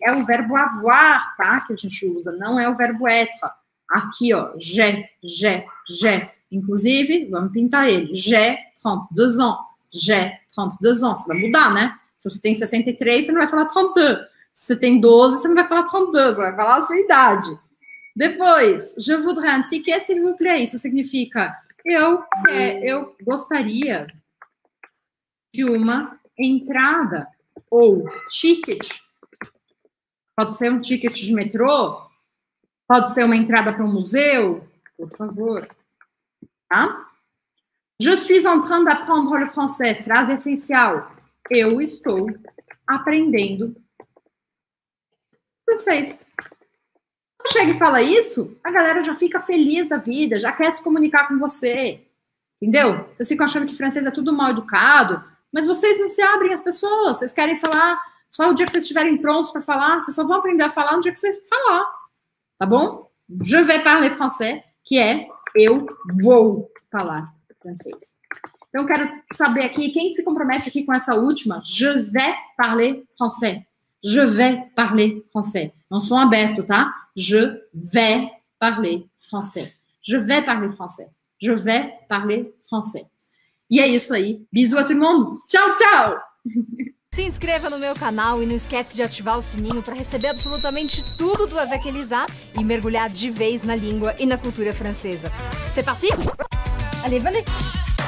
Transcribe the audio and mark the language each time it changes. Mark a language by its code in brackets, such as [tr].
[pt] É o verbo avoir, tá? Que a gente usa. Não é o verbo être. Aqui, ó. [fr] J'ai. [pt] Inclusive, vamos pintar ele. [fr] J'ai 32 ans. [pt] Você vai mudar, né? Se você tem 63, você não vai falar 32. Se você tem 12, você não vai falar 32. Você vai falar a sua idade. Depois, [fr] je voudrais un ticket, s'il vous plaît. [pt] Isso significa, eu gostaria de uma entrada ou ticket. Pode ser um ticket de metrô? Pode ser uma entrada para um museu? Por favor. Tá? [fr] Je suis en train d'apprendre le français. [pt] Frase essencial. Eu estou aprendendo francês. Você chega e fala isso, a galera já fica feliz da vida, já quer se comunicar com você. Entendeu? Vocês ficam achando que francês é tudo mal educado, mas vocês não se abrem às pessoas. Vocês querem falar só o dia que vocês estiverem prontos para falar. Vocês só vão aprender a falar no dia que vocês falar. Tá bom? [fr] Je vais parler français, [pt] que é eu vou falar francês. Então, quero saber aqui, quem se compromete aqui com essa última? [fr] Je vais parler français. Je vais parler français. [pt] Não som aberto, tá? [fr] Je vais parler français. Je vais parler français. Je vais parler français. [pt] E é isso aí. [fr] Bisous à tout le monde. [pt] Tchau, tchau! Se inscreva no meu canal e não esquece de ativar o sininho para receber absolutamente tudo do Avec Elisa e mergulhar de vez na língua e na cultura francesa. [fr] C'est parti? Allez, venez!